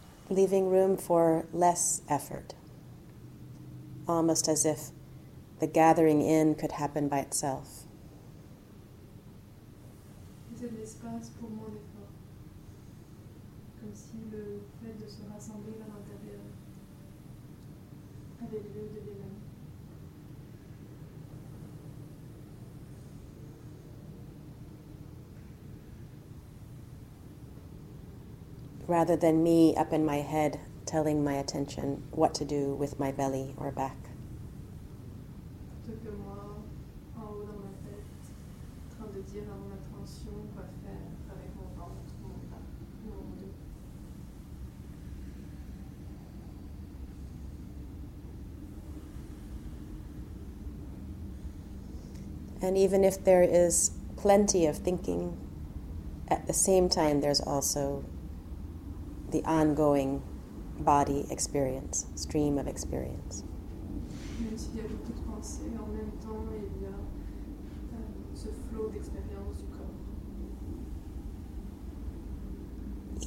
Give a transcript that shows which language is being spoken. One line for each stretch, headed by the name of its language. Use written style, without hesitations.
English: Leaving room for less effort, almost as if the gathering in could happen by itself.
French: Et c'est l'espace pour moins d'effort, comme si le fait de se rassembler vers l'intérieur avait lieu de lui-même.
English: Rather than me up in my head telling my attention what to do with my belly or back.
French: Plutôt que moi, en haut dans ma tête, en train de dire à mon attention quoi faire avec mon ventre, mon bas, mon dos.
English: And even if there is plenty of thinking, at the same time there's also the ongoing body experience, stream of experience.
French: Même s'il y a beaucoup de pensées, en même temps, il y a ce flot d'expérience du corps.